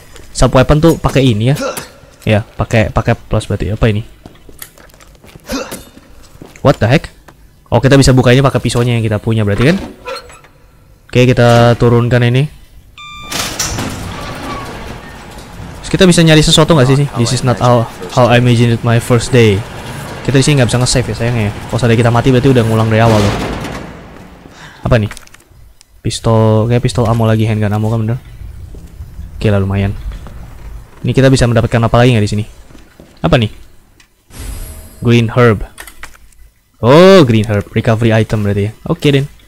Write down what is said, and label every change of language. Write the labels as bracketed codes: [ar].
[id] Sub weapon tuh pakai ini ya. Ya, pakai plus berarti. Apa ini? [en] What the heck? [id] Oh, kita bisa buka ini pakai pisaunya yang kita punya berarti kan? Oke, kita turunkan ini. Terus kita bisa nyari sesuatu enggak sih sih? [en] This is not how I imagined my first day. [id] Kita di sini enggak bisa nge-save ya sayangnya. Kalau sampai kita mati berarti udah ngulang dari awal loh. Apa nih? Pistol, kayak pistol ammo lagi, handgun ammo kan bener. Oke lah lumayan. Ini kita bisa mendapatkan apa lagi nggak di sini? Apa nih? Green herb. Oh, green herb, recovery item berarti ya. Oke deh.